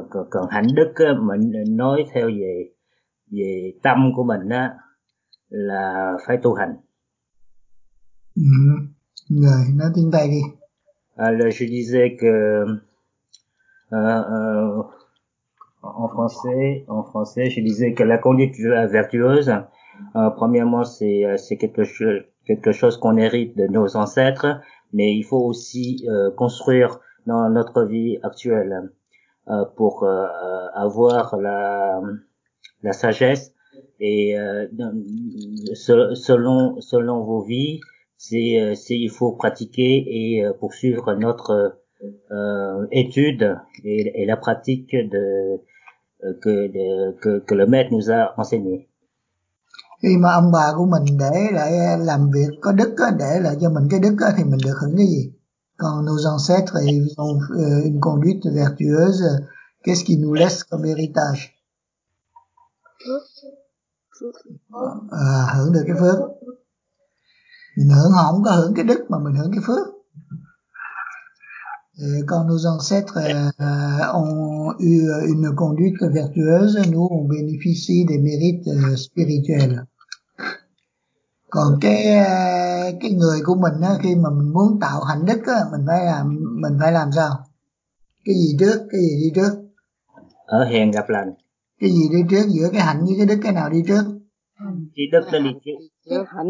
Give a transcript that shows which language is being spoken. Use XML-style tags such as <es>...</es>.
<vi>Còn hạnh đức đó, mình nói theo về tâm của mình á, là phải tu hành. Rồi, nói tiếng Tây đi.</vi> <fr>Alors je disais que en français je disais que la conduite vertueuse, premièrement c'est quelque chose qu'on hérite de nos ancêtres, mais il faut aussi construire dans notre vie actuelle pour avoir la sagesse. Et selon vos vies, c'est il faut pratiquer et poursuivre notre étude et la pratique que le maître nous a enseigné.</fr> <vi>Khi mà ông bà của mình để lại làm việc có đức á, để lại cho mình cái đức á, thì mình được hưởng cái gì?</vi> <fr>Còn nos ancêtres, ils ont une conduite vertueuse, qu'est-ce qu'ils nous laissent comme héritage?</fr> <vi>Hưởng được cái phước. Mình hưởng, họ không có hưởng cái đức mà mình hưởng cái phước.</vi> <fr>Quand nos ancêtres ont eu une conduite vertueuse, nous on bénéficie des mérites spirituels.</fr> <vi>Còn cái người của mình á, khi mà mình muốn tạo hạnh đức á, mình phải làm sao? Cái gì đi trước? Ở hiền gặp lành. Cái gì đi trước, giữa cái hạnh với cái đức, cái nào đi trước? Cái đức nó đi trước.</vi>